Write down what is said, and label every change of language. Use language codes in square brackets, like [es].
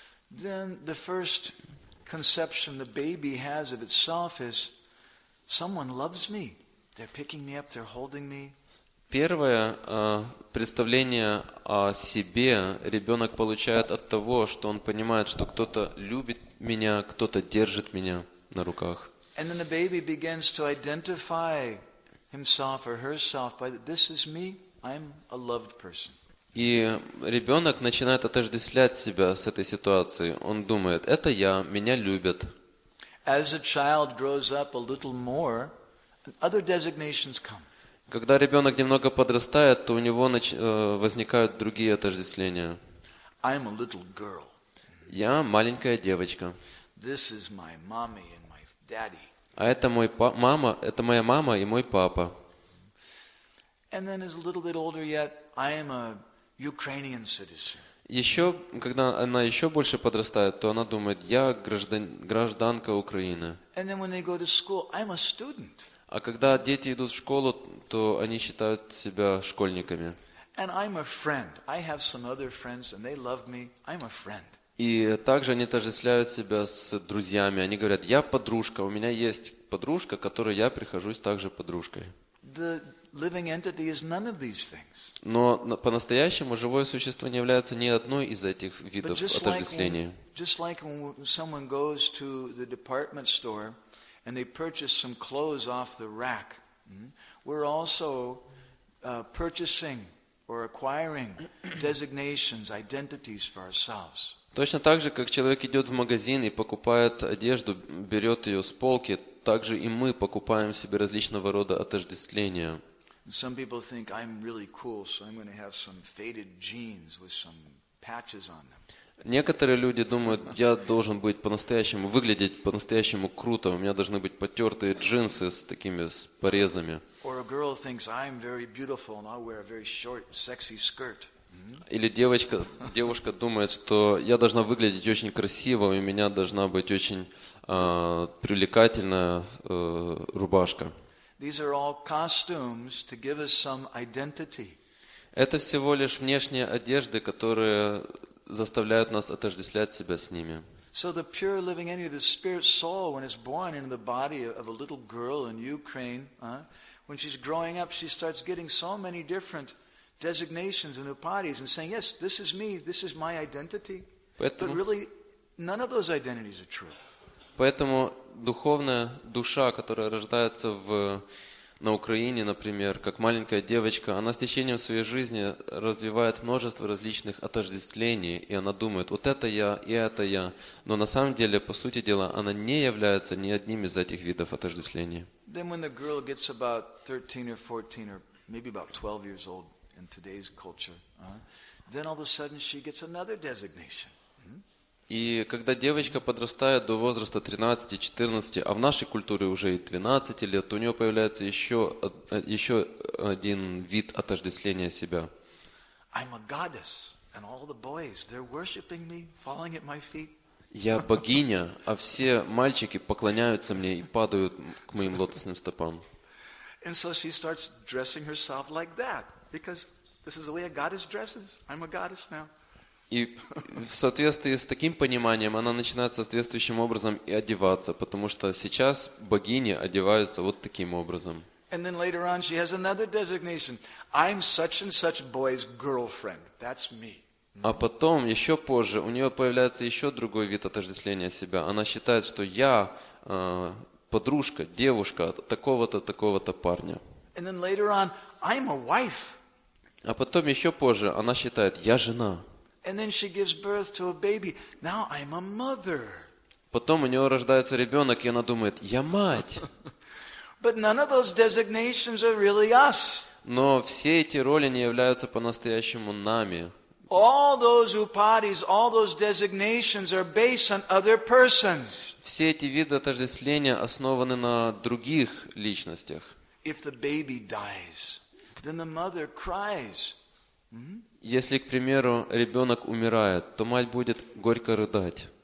[en] Then the first conception the baby has of itself is someone loves me, they're picking me up, they're holding me. [ru] Первое представление о себе ребенок получает от того, что он понимает, что кто-то любит меня, кто-то держит меня на руках. [en] And then the baby begins to identify himself or herself by this is me, I'm a loved person. [ru] И ребенок начинает отождествлять себя с этой ситуацией. Он думает, это я, меня любят. [en] As a child grows up a little more, other designations come. [ru] Когда ребенок немного подрастает, то у него возникают другие отождествления. [en] I'm a little girl. [ru] Я маленькая девочка. [en] This is my mommy and my daddy. [ru] А это мой мама, это моя мама и мой папа. [en] And then as a little bit older yet, I am a Ukrainian citizen. [ru] Еще, когда она еще больше подрастает, то она думает, я гражданка Украины. [en] And then when they go to school, I'm a student. [ru] А когда дети идут в школу, то они считают себя школьниками. [en] And I'm a friend. I have some other friends and they love me. I'm a friend. [ru] И также они отождествляют себя с друзьями. Они говорят, я подружка, у меня есть подружка, к которой я прихожусь также подружкой. [en] The living entity is none of these things. [ru] Но по-настоящему живое существо не является ни одной из этих видов отождествления. [en] Just like when someone goes to the department store and they purchase some clothes off the rack, we're also purchasing or acquiring designations, identities for ourselves. [ru] Точно так же, как человек идет в магазин и покупает одежду, берет ее с полки, так же и мы покупаем себе различного рода отождествления. [en] Some people think I'm really cool, so I'm going to have some faded jeans with some patches on them. [ru] Некоторые люди думают, я должен быть по-настоящему, выглядеть по-настоящему круто, у меня должны быть потертые джинсы с такими с порезами. [en] Or a girl thinks I'm very beautiful and I'll wear a very short, sexy skirt. [ru] Или девушка думает, что я должна выглядеть очень красиво, у меня должна быть очень привлекательная рубашка. [en] These are all costumes to give us some identity. [ru] Это всего лишь внешние одежды, которые заставляют нас отождествлять себя с ними. [en] So the pure living entity, the spirit soul, when it's born into the body of a little girl in Ukraine, when she's growing up, she starts getting so many different designations and upadis and saying, yes, this is me, this is my identity. But really, none of those identities are true. [ru] Поэтому духовная душа, которая рождается на Украине, например, как маленькая девочка, она с течением своей жизни развивает множество различных отождествлений, и она думает, вот это я и это я. Но на самом деле, по сути дела, она не является ни одним из этих видов отождествлений. [en] Then when the girl gets about 13 or 14 or maybe about 12 years old in today's culture, then all of a sudden she gets another designation. [ru] И когда девочка подрастает до возраста 13-14, а в нашей культуре уже и 12 лет, у нее появляется еще один вид отождествления себя. [en] I'm a goddess, and all the boys, they're worshiping me, falling at my feet. [ru] Я богиня, а все мальчики поклоняются мне и падают к моим лотосным стопам. [en] And so she starts dressing herself like that, because this is the way a goddess dresses. I'm a goddess now. [ru] И в соответствии с таким пониманием она начинает соответствующим образом и одеваться, потому что сейчас богини одеваются вот таким образом. [en] And then later on she has another designation. I'm such and such boy's girlfriend. That's me. [ru] А потом, еще позже, у нее появляется еще другой вид отождествления себя. Она считает, что я подружка, девушка такого-то, такого-то парня. [en] And then later on, I'm a wife. [ru] А потом, еще позже, она считает, я жена. [en] And then she gives birth to a baby. Now I'm a mother. [ru] Потом у нее рождается ребенок, и она думает, я мать. [en] But none of those designations are really us. [ru] Но все эти роли не являются по-настоящему нами. [en] All those upadis, all those designations are based on other persons. [ru] Все эти виды отождествления основаны на других личностях. [en] If the baby dies, then the mother cries. [ru] Если, к примеру, ребенок умирает, то мать будет горько рыдать.